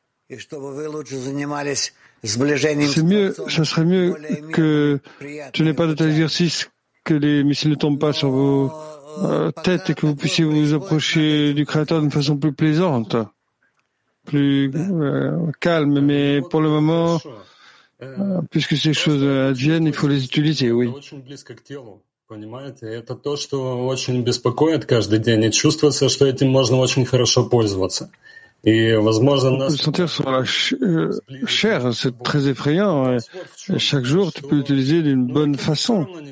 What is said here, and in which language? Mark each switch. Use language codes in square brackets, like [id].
[fr] Ça serait mieux que tu n'aies pas d'autre exercice, que les missiles ne tombent pas sur vos têtes et que vous puissiez vous approcher du Créateur d'une façon plus plaisante, plus calme. Mais pour le moment, puisque ces choses adviennent, il faut les utiliser, oui. [ru] Понимаете, это то, что очень беспокоит каждый день, и чувствуется, что этим можно очень хорошо пользоваться. И, возможно, нас... [fr] Sentir sur la chair, c'est très effrayant. Et chaque jour, tu peux l'utiliser d'une bonne façon.